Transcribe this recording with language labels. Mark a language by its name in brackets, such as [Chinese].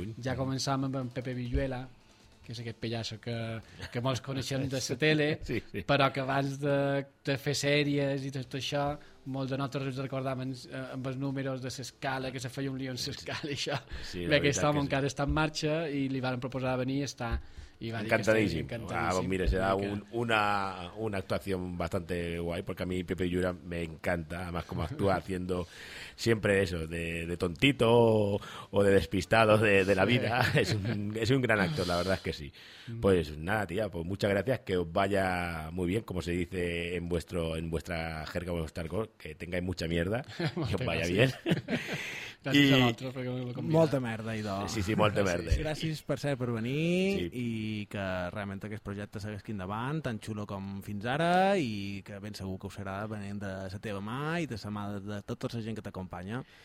[Catalan] Ja començàvem amb en Pepe Villuela, que és aquest pellasso que molts coneixem de la tele, sí, sí. Però que abans de fer sèries i tot això, molts de nosaltres ens recordàvem amb els números de l'escala, que se feia un lío en l'escala i això. Sí, aquest home encara està en marxa i li van proposar venir i està... Encantadíssim. [Spanish] Ah, mira, será una actuación bastante guay, porque a mí Pepe Llura me encanta, además como actúa haciendo siempre eso, de tontito o de despistado de la vida. Es un gran actor, la verdad es que sí. Pues nada, tía, pues muchas gracias, que os vaya muy bien, como se dice en vuestra jerga, en vuestro hardcore, que tengáis mucha mierda, que os vaya bien. [Catalan] Gràcies a vosaltres perquè m'ho convidat. Molta merda, idò. Sí, sí, molta merda. Gràcies per venir, sí. I que realment aquest projecte segueixi endavant, tan xulo com fins ara, i que ben segur que ho serà venent de la teva mà i de la mà de tota la gent que t'acompanya.